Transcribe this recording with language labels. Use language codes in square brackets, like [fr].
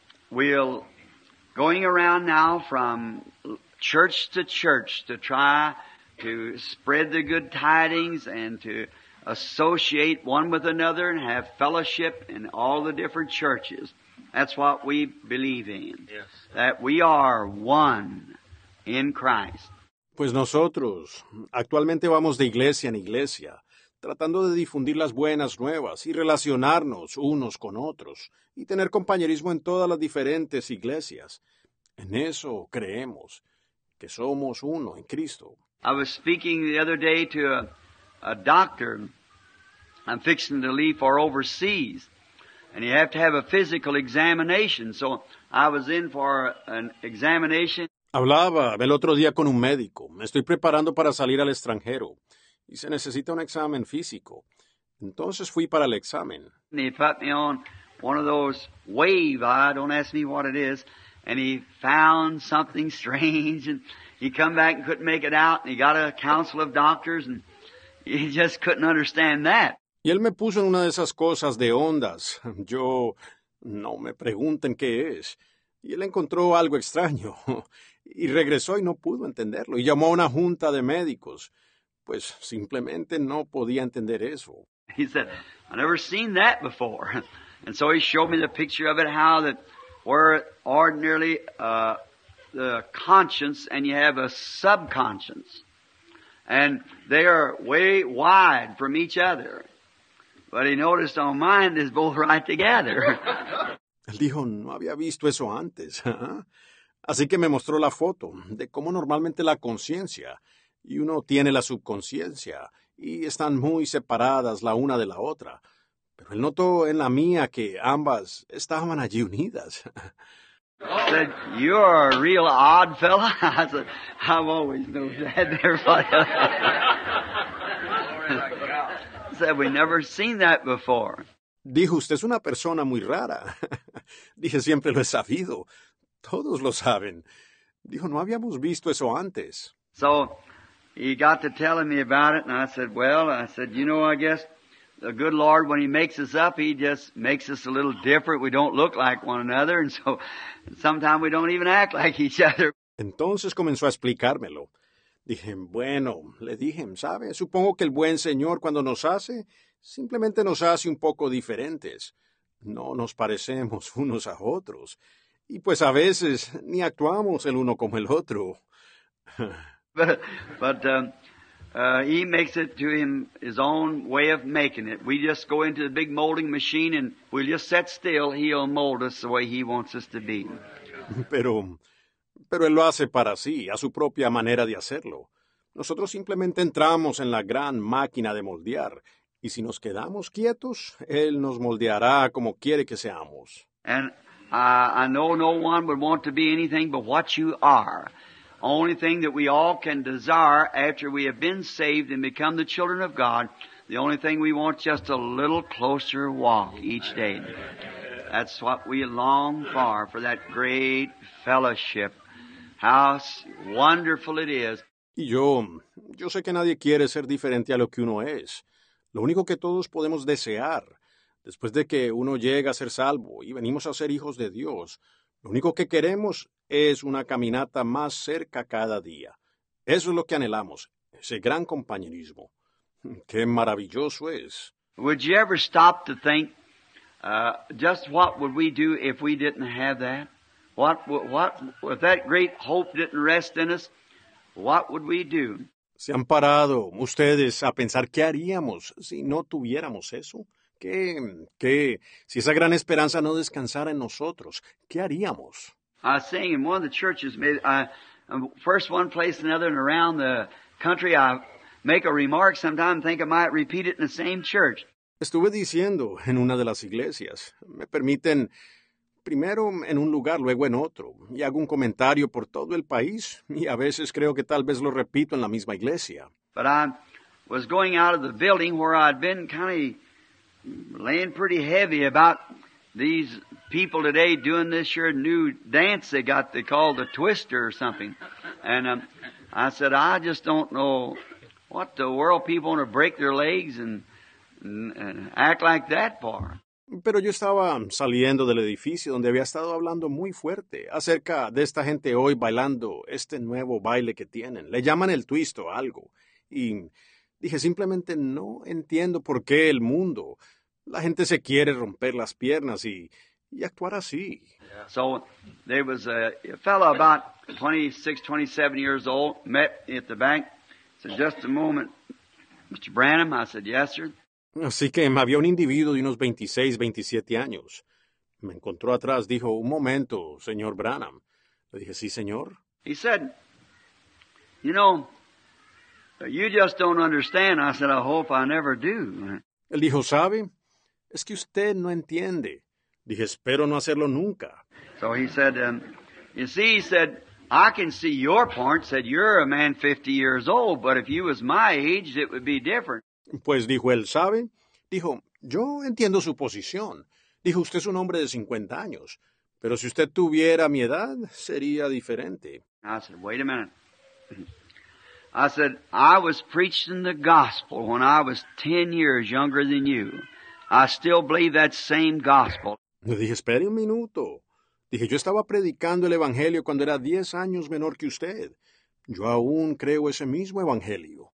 [en] We'll going around now from church to church to try to spread the good tidings and to associate one with another and have fellowship in all the different churches. That's what we believe in. Yes. That we are one in Christ. [es] Pues nosotros actualmente vamos de iglesia en iglesia, tratando de difundir las buenas nuevas y relacionarnos unos con otros y tener compañerismo en todas las diferentes iglesias. En eso creemos, que somos uno en Cristo. [en] I was speaking the other day to a doctor. I'm fixing to leave for overseas, and you have to have a physical examination. So I was in for an examination. [es] Hablaba el otro día con un médico. Me estoy preparando para salir al extranjero, y se necesita un examen físico. Entonces fui para el examen. [en] And he put me on one of those wave. Don't ask me what it is. And he found something strange, and he come back and couldn't make it out. And he got a council of doctors, and he just couldn't understand that. [es] Y él me puso en una de esas cosas de ondas. Yo, no me pregunten qué es. Y él encontró algo extraño. Y regresó y no pudo entenderlo. Y llamó a una junta de médicos. Pues simplemente no podía entender eso. [en] He said, I've never seen that before. And so he showed me the picture of it, how that where ordinarily the conscience and you have a subconscious. And they are way wide from each other. But he noticed on mine is both right together. [es] Él dijo, no había visto eso antes. Así que me mostró la foto de cómo normalmente la conciencia y uno tiene la subconsciencia y están muy separadas la una de la otra. Pero él notó en la mía que ambas estaban allí unidas. [en] I said, you're a real odd fella. I said, I've always known that there, but that we never seen that before. [es] Dijo, usted es una persona muy rara. Dije, siempre lo he sabido. Todos lo saben. Dijo, no habíamos visto eso antes. [en] So he got to telling me about it, and I said, well, I said, you know, I guess the good Lord, when he makes us up, he just makes us a little different. We don't look like one another, and so sometimes we don't even act like each other. [es] Entonces comenzó a explicármelo. Dije, bueno, le dije, ¿sabe? Supongo que el buen Señor cuando nos hace, simplemente nos hace un poco diferentes. No nos parecemos unos a otros. Y pues a veces ni actuamos el uno como el otro. [en] But he makes it to him his own way of making it. We just go into the big molding machine and we'll just sit still. He'll mold us the way he wants us to be. [es] Pero él lo hace para sí, a su propia manera de hacerlo. Nosotros simplemente entramos en la gran máquina de moldear, y si nos quedamos quietos, él nos moldeará como quiere que seamos. [en] And I know no one would want to be anything but what you are. Only thing that we all can desire after we have been saved and become the children of God, the only thing we want just a little closer walk each day. That's what we long for that great fellowship. How wonderful it is. [es] Y yo sé que nadie quiere ser diferente a lo que uno es. Lo único que todos podemos desear, después de que uno llega a ser salvo y venimos a ser hijos de Dios, lo único que queremos es una caminata más cerca cada día. Eso es lo que anhelamos, ese gran compañerismo. ¡Qué maravilloso es! [en] Would you ever stop to think, just what would we do if we didn't have that? What if that great hope didn't rest in us? What would we do? [es] ¿Se han parado ustedes a pensar qué haríamos si no tuviéramos eso? ¿Qué? Si esa gran esperanza no descansara en nosotros, ¿qué haríamos? [en] I sing in one of the churches, maybe, first one place, another, and around the country. I make a remark sometimes, think I might repeat it in the same church. [es] Estuve diciendo en una de las iglesias, me permiten primero en un lugar, luego en otro, y hago un comentario por todo el país, y a veces creo que tal vez lo repito en la misma iglesia. [en] But I was going out of the building where I'd been kind of laying pretty heavy about these people today doing this year new dance they got, they call the Twister or something. And I said, I just don't know what the world people want to break their legs and act like that for. [es] Pero yo estaba saliendo del edificio donde había estado hablando muy fuerte acerca de esta gente hoy bailando este nuevo baile que tienen. Le llaman el twist o algo. Y dije, simplemente no entiendo por qué el mundo, la gente se quiere romper las piernas y actuar así. [en] So there was a fellow about 26, 27 years old, met me at the bank. I said, just a moment, Mr. Branham. I said, yes, sir. [es] Así que había un individuo de unos 26, 27 años. Me encontró atrás, dijo, un momento, señor Branham. Le dije, sí, señor. [en] He said, you know, you just don't understand. I said, I hope I never do. [es] Él dijo, ¿sabe? Es que usted no entiende. Dije, espero no hacerlo nunca. [en] So he said, you see, he said, I can see your point. Said, you're a man 50 years old, but if you was my age, it would be different. [es] Pues dijo él, ¿sabe? Dijo, yo entiendo su posición. Dijo, usted es un hombre de 50 años, pero si usted tuviera mi edad, sería diferente. [en] I said, wait a minute. I said, I was preaching the gospel when I was 10 years younger than you. I still believe that same gospel. [es] Le dije, espere un minuto. Dije, yo estaba predicando el evangelio cuando era 10 años menor que usted. Yo aún creo ese mismo evangelio.